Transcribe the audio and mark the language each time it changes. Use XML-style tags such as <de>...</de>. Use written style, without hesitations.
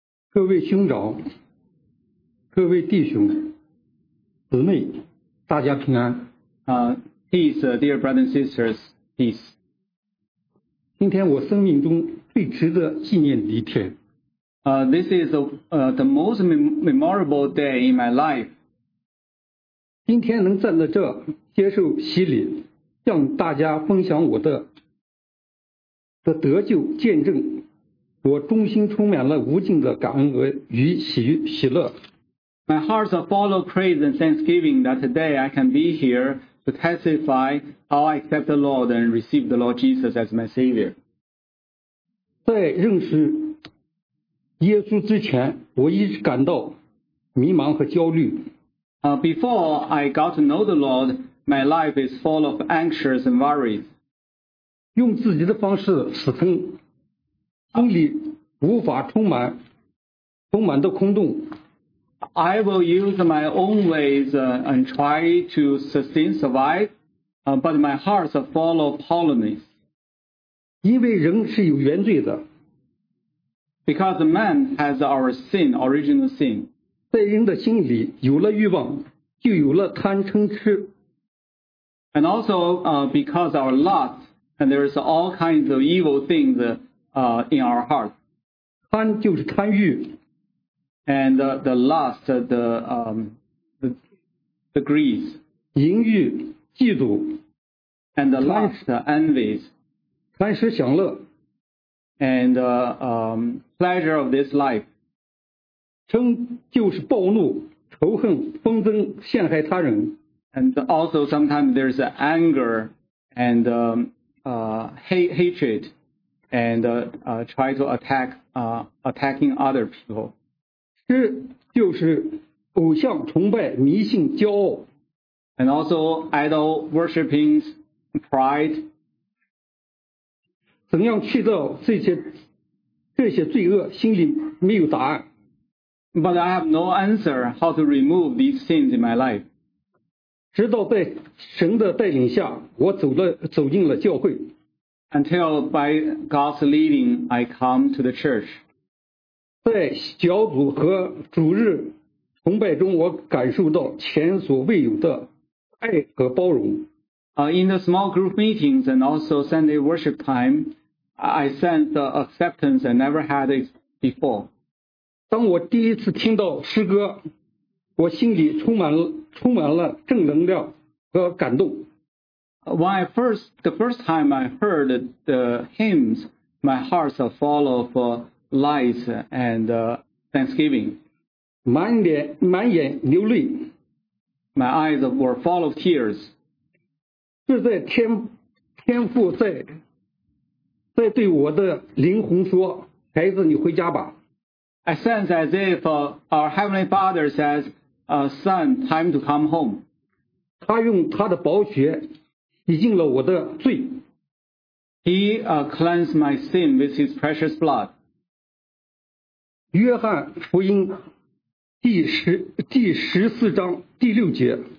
<zh>各位兄长，各位弟兄姊妹，大家平安。</zh> <en>Peace, dear brothers and sisters, peace.</en> <zh>今天我生命中最值得纪念的一天。</zh> <en>This is the most memorable day in my life.</en> <zh>今天能站在这接受洗礼，向大家分享我的得救见证我衷心充满了无尽的感恩与喜乐。</zh> <en>My heart's full of praise and thanksgiving that today I can be here to testify how I accept the Lord and receive the Lord Jesus as my Savior.</en> <zh>在认识耶稣之前，我一直感到迷茫和焦虑。</zh> <en>Before I got to know the Lord, my life is full of anxious and worries.</en> <zh>用自己的方式死撑，心里无法充满的空洞。</zh> <en>I will use my own ways and try to sustain survive, but my heart's full of hollowness.</en> <zh>因为人是有原罪的。</zh> <en>Because the man has our sin, original sin.</en> <zh>在人的心里有了欲望，就有了贪嗔痴。</zh> <en>And also because our lust, and there is all kinds of evil things in our heart.</en> <zh>贪就是贪欲。</zh> <en>And the lust, the greed,</en> <zh>淫欲、嫉妒，</zh> <en>and the lust, envy,</en> <zh>贪食享乐，</zh> <en>and pleasure of this life,</en> <zh>嗔就是暴怒、仇恨、纷争、陷害他人，</zh> <en>and also sometimes there's anger and hatred and try to attacking other people.</en> <zh>这就是偶像崇拜、迷信、骄傲</zh> <en>，and also idol worshiping, pride。</en> <zh>怎样去掉这些罪恶？心里没有答案。</zh> <en>But I have no answer how to remove these sins in my life。</en> <zh>直到在神的带领下，我走进了教会。</zh> <en>Until by God's leading, I come to the church。</en> <zh>在小组和主日崇拜中，我感受到前所未有的爱和包容。</zh> <en>In the small group meetings and also Sunday worship time, I sense the acceptance I never had it before.</en> <zh>当我第一次听到诗歌，我心里充满了正能量和感动。</zh> <en>The first time I heard the hymns, my heart's full of lights and thanksgiving.</en> <zh>满眼流泪。</zh> <en>My eyes were full of tears.</en> <zh>是在天父在对我的灵魂说，孩子，你回家吧。</zh> <en>I sense as if our Heavenly Father says, son, time to come home.</en> <zh>他用他的宝血洗净了我的罪。</zh> <en>He cleansed my sin with his precious blood.</en> <zh>约翰福音第十四章第六节</zh>